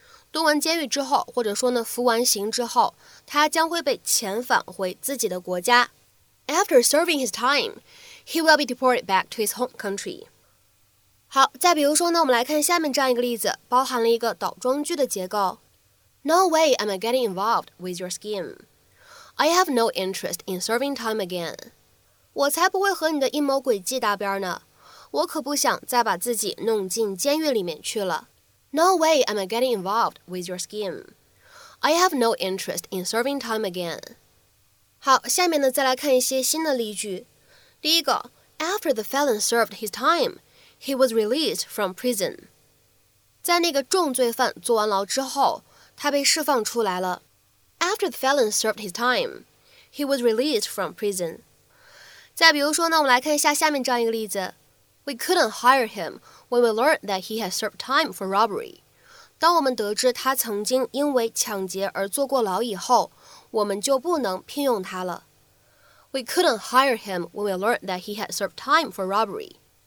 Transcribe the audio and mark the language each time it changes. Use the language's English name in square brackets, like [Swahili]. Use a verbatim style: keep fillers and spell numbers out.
[Chinese] 蹲完监狱之后，或者说呢，服完刑之后，他将会被遣返回自己的国家。 [English] After serving his time, he will be deported back to his home country. [Chinese] 好，再比如说呢，我们来看下面这样一个例子，包含了一个倒装句的结构。 [English] No way am I getting involved with your scheme. I have no interest in serving time again. [Chinese] 我才不会和你的阴谋诡计搭边呢。我可不想再把自己弄进监狱里面去了。 [English] No way am I getting involved with your scheme. I have no interest in serving time again. [Chinese] 好，下面呢再来看一些新的例句。第一个 [English] ，After the felon served his time, he was released from prison. [Chinese] 在那个重罪犯坐完牢之后，他被释放出来了。 [English] After the felon served his time, he was released from prison. [Chinese] 再比如说呢，我们来看一下下面这样一个例子。 [English] We couldn't hire him when we learned that he had served time for robbery. [Chinese] 当我们得知他曾经因为抢劫而坐过牢以后，我们就不能聘用他了。 [English] We couldn't hire him when we learned that he had served time for robbery.